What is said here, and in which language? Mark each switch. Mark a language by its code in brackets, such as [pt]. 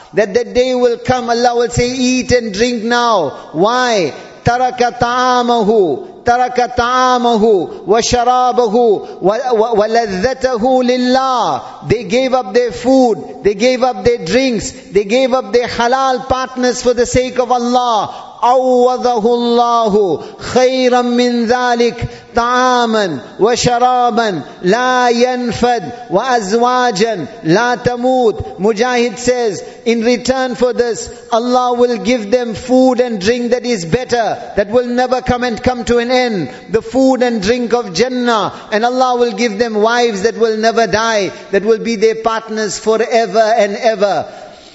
[en] That day will come, Allah will say, eat and drink now. Why? [ar] Taraka ta'amahu, wa sharabahu, wa ladhatahu lillah. [en] They gave up their food, they gave up their drinks, they gave up their halal partners for the sake of Allah. [ar] عوضه الله خيرا من ذلك طعاما وشرابا لا ينفد وأزواجا لا تموت. [en] Mujahid says, in return for this, Allah will give them food and drink that is better, that will never come to an end. The food and drink of Jannah. And Allah will give them wives that will never die, that will be their partners forever and ever.